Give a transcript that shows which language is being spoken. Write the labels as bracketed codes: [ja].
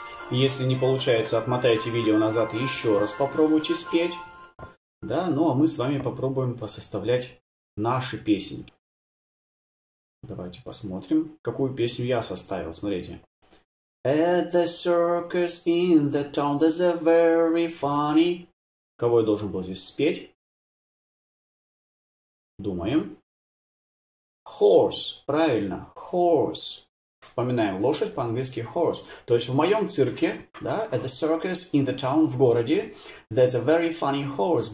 [ru] Если не получается, отмотайте видео назад и еще раз попробуйте спеть. Да, ну а мы с вами попробуем посоставлять наши песни. Давайте посмотрим, какую песню я составил. Смотрите. [en] At the circus in the town there's a very funny... [ru] Кого я должен был здесь спеть? Думаем. Horse. Правильно. Horse. Вспоминаем. Лошадь по-английски horse. То есть в моем цирке, да, [en] at the circus in the town, [ru] в городе, [en] there's a very funny horse.